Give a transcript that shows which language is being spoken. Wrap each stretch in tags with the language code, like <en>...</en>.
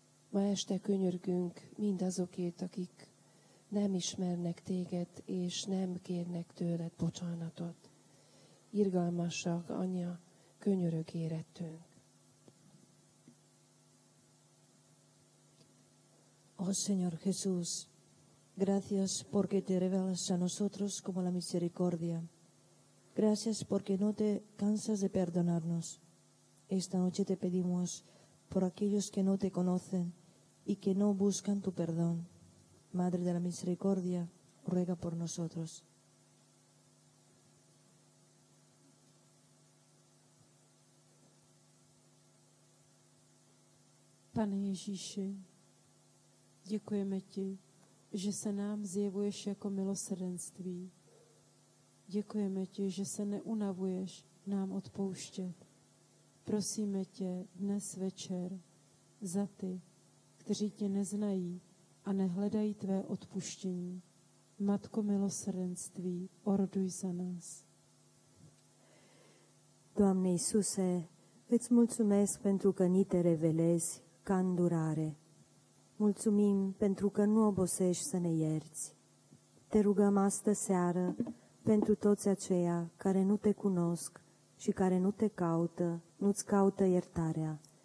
<hu>Ma este könyörgünk mindazokért, akik nem ismernek téged, és nem kérnek tőled bocsánatot. Irgalmasak, anya, könyörög érettünk.</hu> <es>Oh, Señor Jesús, gracias porque te revelas a nosotros como la misericordia. Gracias porque no te cansas de perdonarnos. Esta noche te pedimos por aquellos que no te conocen y que no buscan tu perdón. Madre de la Misericordia, ruega por nosotros.</es> <cs>Pane Ježíši, děkujeme ti, že se nám zjevuješ jako milosrdenství. Děkujeme ti, že se neunavuješ nám odpouštět. Prosíme tě dnes večer za ty, kteří tě neznají a nehledají tvé odpuštění. Matko milosrdenství, oroduj za nás.</cs> <ro>Doamne Iisuse, îți mulțumesc pentru că ni te revelezi ca îndurare. Mulțumim pentru că nu obosești să ne ierți. Te rugăm astă seară pentru toți aceia care nu te cunosc și care nu te caută, nu-ți caută iertarea.</ro>